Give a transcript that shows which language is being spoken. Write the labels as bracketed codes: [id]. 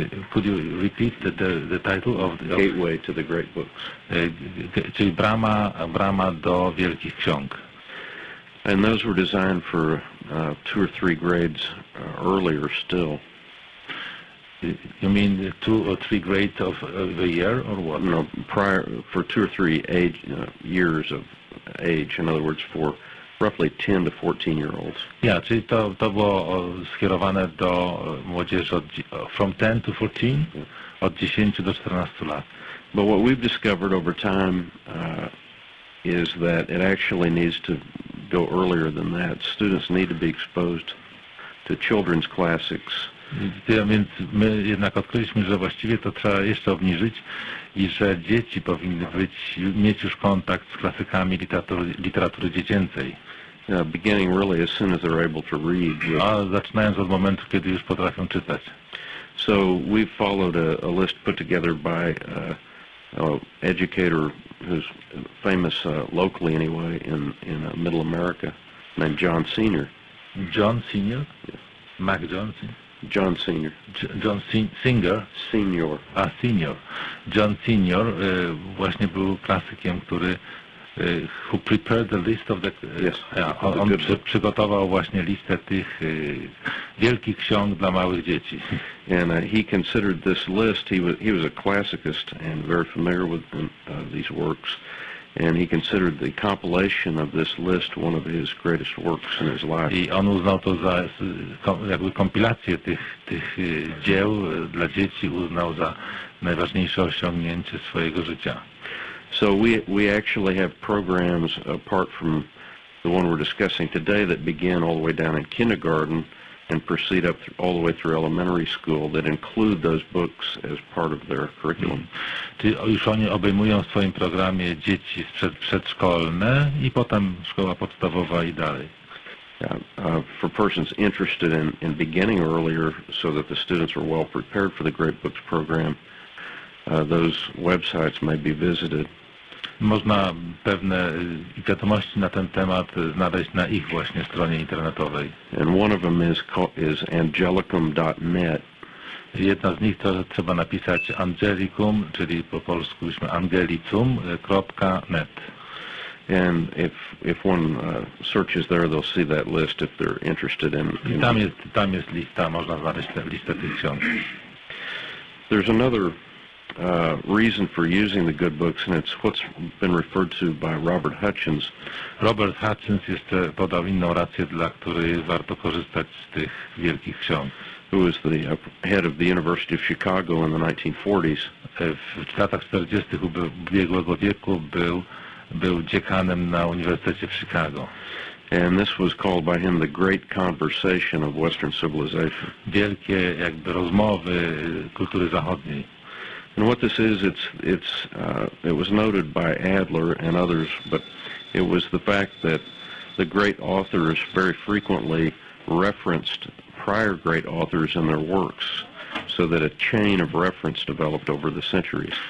[en] Could you repeat the title of the Gateway to the Great Books? [pl] Czyli brama do wielkich ksiąg. [en] And those were designed for two or three grades earlier still. You mean two or three grades of the year or what? No, prior for two or three age years of age. In other words, for roughly 10 to 14 year olds. [pl] Yeah, czyli to było skierowane do młodzieży [en] from 10 to 14, yeah. [pl] Od 10 do 14 lat. [en] But what we've discovered over time is that it actually needs to go earlier than that. Students need to be exposed to children's classics. [pl] Więc my jednak odkryliśmy, że właściwie to trzeba jeszcze obniżyć i że dzieci powinny być, mieć już kontakt z klasykami literatury dziecięcej. [en] Beginning really as soon as they're able to read. [pl] A zaczynając od momentu, kiedy już potrafią czytać. [en] So we followed a list put together by an educator who's famous locally anyway in Middle America named John Senior. John Senior? Yeah. Mac Johnson? John Senior. John Singer? Senior. [pl] A, Senior. John Senior właśnie był klasykiem, który [en] who prepared the list of the... Yes. [pl] On przygotował właśnie listę tych wielkich ksiąg dla małych dzieci. [en] And he considered this list, he was a classicist and very familiar with these works, and he considered the compilation of this list one of his greatest works in his life. [pl] I on uznał to za jakby kompilację tych dzieł dla dzieci, uznał za najważniejsze osiągnięcie swojego życia. [en] So we actually have programs apart from the one we're discussing today that begin all the way down in kindergarten and proceed up all the way through elementary school that include those books as part of their curriculum. [pl] Już oni obejmują w swoim programie dzieci przedszkolne i potem szkoła podstawowa i dalej. [en] For persons interested in beginning earlier so that the students are well prepared for the Great Books program, those websites may be visited. [pl] Można pewne wiadomości na ten temat znaleźć na ich właśnie stronie internetowej. [en] And one of them is angelicum.net. [pl] Jedna z nich to trzeba napisać angelicum, czyli po polsku byśmy angelicum.net. [en] And if one searches there, they'll see that list if they're interested in... [pl] Tam jest lista, można znaleźć listę tych ksiąg. [en] There's another reason for using the good books, and it's what's been referred to by Robert Hutchins. [pl] Robert Hutchins jeszcze podał inną rację, dla której warto korzystać z tych wielkich ksiąg. [en] Who was the head of the University of Chicago in the 1940s. [pl] W latach 40. ubiegłego wieku był dziekanem na Uniwersytecie w Chicago. [en] And this was called by him the Great Conversation of Western Civilization. [pl] Wielkie jakby rozmowy kultury zachodniej. [en] And what this is, it was noted by Adler and others, but it was the fact that the great authors very frequently referenced prior great authors in their works, so that a chain of reference developed over the centuries.